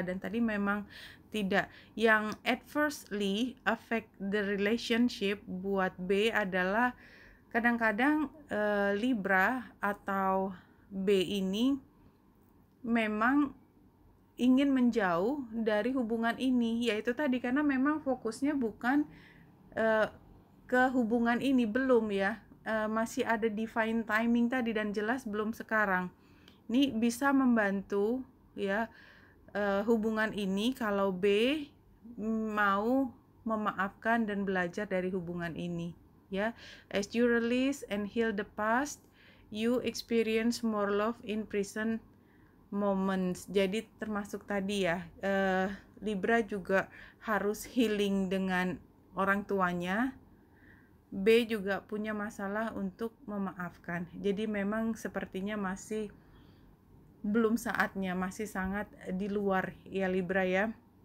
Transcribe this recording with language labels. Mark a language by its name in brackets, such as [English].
[Indonesian] Dan tadi memang tidak, yang [English] adversely affect the relationship [Indonesian] buat B adalah kadang-kadang Libra atau B ini memang ingin menjauh dari hubungan ini, yaitu tadi karena memang fokusnya bukan ke hubungan ini, belum ya, masih ada [English] divine timing [Indonesian] tadi dan jelas belum sekarang. Ini bisa membantu ya hubungan ini kalau B mau memaafkan dan belajar dari hubungan ini. [English] Ya, as you release and heal the past, you experience more love in present moments. [Indonesian] Jadi termasuk tadi ya, Libra juga harus healing dengan orang tuanya. B juga punya masalah untuk memaafkan. Jadi memang sepertinya masih belum saatnya, masih sangat di luar ya Libra ya.